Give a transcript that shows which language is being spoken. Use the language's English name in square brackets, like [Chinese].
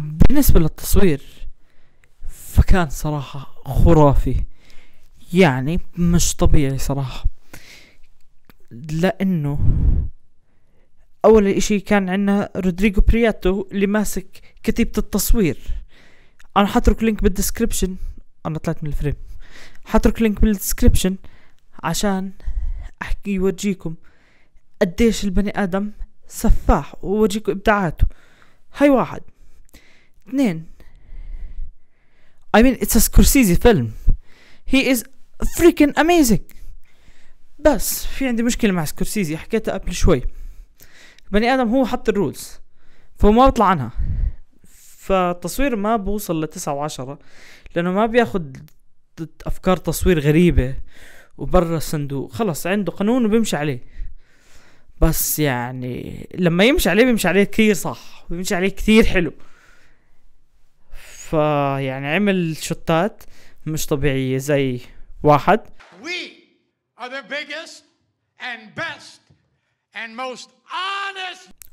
[Arabic] بالنسبة للتصوير فكان صراحة خرافي، يعني مش طبيعي صراحة، لأنه أول إشي كان عندنا رودريجو برياتو اللي ماسك كتيبة التصوير. أنا حترك لينك بالدسكريبشن، أنا طلعت من الفريم، حترك لينك بالدسكريبشن عشان أحكي يورجيكم قديش البني آدم سفاح ووريكم إبداعاته. هاي واحد. اثنين، [English] I mean it's a Scorsese film. He is freaking amazing. [Arabic] بس في عندي مشكلة مع سكورسيزي، حكيتها قبل شوي. بني آدم هو حط الرولز فهو ما بطلع عنها، فتصوير ما بوصل لتسعة وعشرة لأنه ما بياخد أفكار تصوير غريبة وبرا الصندوق، خلص عنده قانون وبيمشي عليه. بس يعني لما يمشي عليه بيمشي عليه كثير صح، بيمشي عليه كثير حلو. فيعني عمل شطات مش طبيعية، زي واحد [English] We are the biggest and best and most honest.